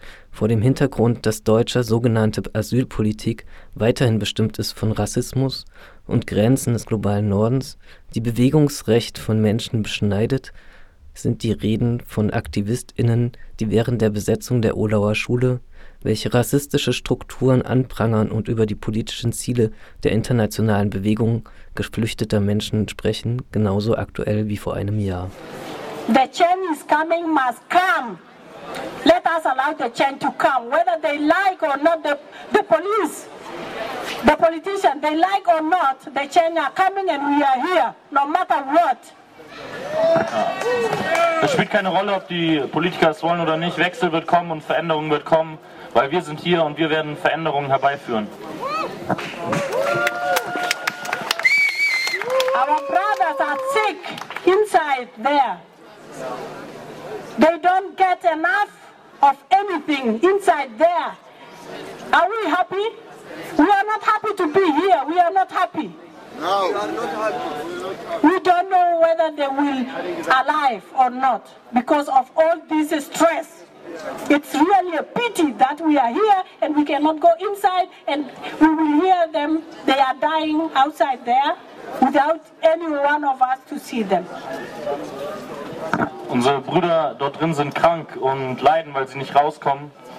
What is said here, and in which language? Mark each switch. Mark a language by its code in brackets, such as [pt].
[de] Vor dem Hintergrund, dass deutsche sogenannte Asylpolitik weiterhin bestimmt ist von Rassismus und Grenzen des globalen Nordens, die Bewegungsrecht von Menschen beschneidet, sind die Reden von AktivistInnen, die während der Besetzung der Ohlauer Schule, welche rassistische Strukturen anprangern und über die politischen Ziele der internationalen Bewegung geflüchteter Menschen sprechen, genauso aktuell wie vor einem Jahr. [en] The change is coming, must come. Let us allow the change to come, whether they like or not, the police, the politicians, they like or not, the change are coming and we are here, no matter what. [de] Es spielt keine Rolle, ob die Politiker es wollen oder nicht. Wechsel wird kommen und Veränderung wird kommen, weil wir sind hier und wir werden Veränderungen herbeiführen. [en] Our brothers are sick inside there. They don't get enough of anything inside there. Are we happy? We are not happy to be here. We are not happy. No, we are not happy. We don't know whether they will alive or not because of all this stress. It's really a pity that we are here and we cannot go inside and we will hear them. They are dying outside there without any one of us to see them. [de] Unsere Brüder dort drin sind krank und leiden, weil sie nicht rauskommen.